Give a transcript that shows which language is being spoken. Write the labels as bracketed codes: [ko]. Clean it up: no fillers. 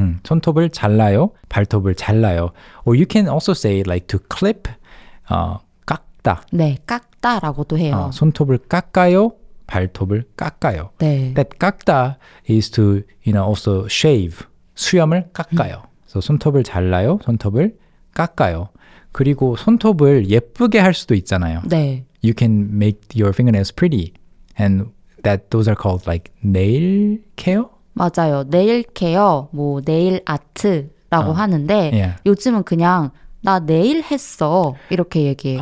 [ko] 손톱을 잘라요, 발톱을 잘라요. [en] Or you can also say like to clip, 깎다. [ko] 네, 깎다라고도 해요. 아, 손톱을 깎아요, 발톱을 깎아요. 네. [en] That 깎다 is to, you know, also shave. [ko] 수염을 깎아요. 그래서 손톱을 잘라요. 손톱을 깎아요. 그리고 손톱을 예쁘게 할 수도 있잖아요. 네. [en] You can make your fingernails pretty. And that those are called like nail care? [ko] 맞아요. Nail care, 뭐 nail art라고 하는데 yeah. 요즘은 그냥 나 네일 했어 이렇게 얘기해요.